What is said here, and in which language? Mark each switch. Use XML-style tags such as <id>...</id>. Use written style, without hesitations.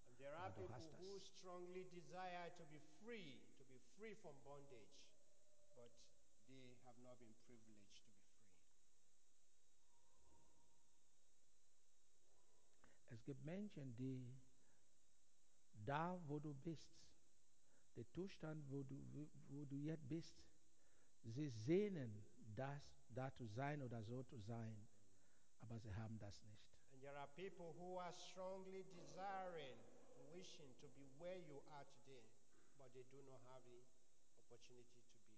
<en>And there are people who strongly desire to be free from bondage. But they have not been privileged to be free.</en> <de>Es gibt Menschen, die da, wo du bist, der Zustand, wo du jetzt bist, sie sehnen, das da zu sein oder so zu sein, aber sie haben das nicht.</de> <en>And there are people who are strongly desiring, wishing to be where you are today, but they do not have the opportunity to be.</en>